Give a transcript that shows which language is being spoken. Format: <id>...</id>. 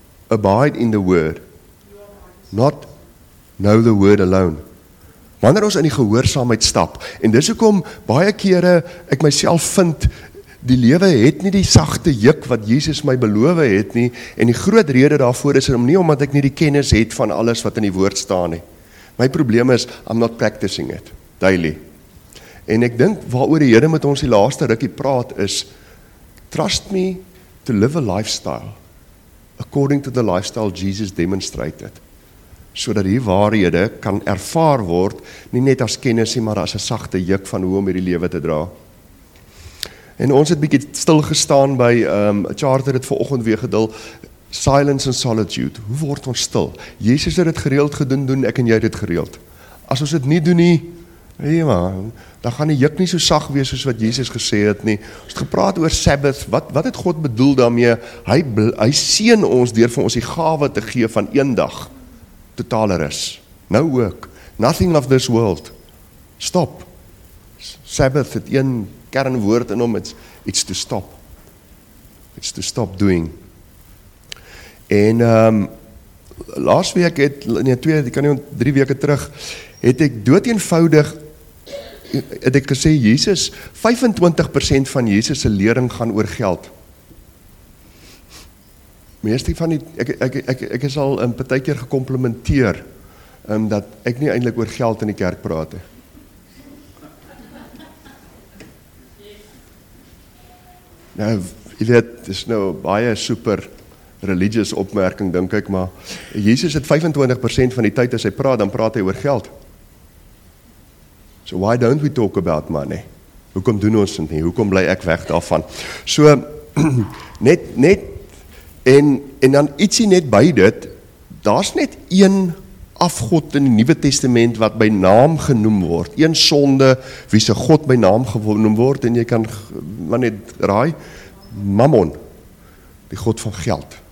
<en>Abide in the word, not know the word alone.</en> <af>Wanneer ons in die gehoorsaamheid stap, en dis hoekom baie kere ek myself vind, die lewe het nie die sagte juk wat Jesus my beloof het nie, en die groot rede daarvoor is om nie omdat ek nie die kennis het van alles wat in die woord staan nie. My probleem is,</af> <en>I'm not practicing it, daily.</en> <af>En ek dink, waaroor die Here met ons die laaste rukkie praat is,</af> <en>trust me to live a lifestyle, according to the lifestyle Jesus demonstrated,</en> <af>so dat die waarhede kan ervaar word, nie net as kennis nie, maar as 'n sagte juk van hoe om hierdie lewe te dra. En ons het bietjie stil gestaan by, Charter het vanoggend weer gedeel,</af> <en>silence and solitude,</en> <af>hoe word ons stil? Jesus het dit gereeld gedoen, doen ek en jy dit gereeld. As ons dit nie doen nie, dan gaan die juk nie so sag wees soos wat Jesus gesê het nie. Ons het gepraat oor Sabbath, wat het God bedoel daarmee? Hy seën ons deur vir ons die gawe te gee van een dag, totale rus. Nou ook,</af> <en>nothing of this world, stop.</en> <af>Sabbath het een kernwoord in hom,</af> <en>it's to stop doing.</en> <af>En laasweek het, drie weke terug, het ek dood eenvoudig, het ek gesê, Jesus, 25% van Jesus se lering gaan oor geld. Meeste van die, ek is al een partij keer gecomplimenteer, dat ek nie eintlik oor geld in die kerk praat. Nou, jy weet, dit is nou baie super religious opmerking, dink ek, maar Jesus het 25% van die tyd as hy praat, dan praat hy oor geld.</af> <en>So why don't we talk about money?</en> <af>Hoekom doen ons dit nie? Hoekom bly ek weg daarvan? So, net, en dan ietsie net by dit, daar's net een afgod in die Nuwe Testament wat by naam genoem word, een sonde wie se God by naam genoem word, en jy kan maar net raai, Mammon, die God van geld.</af>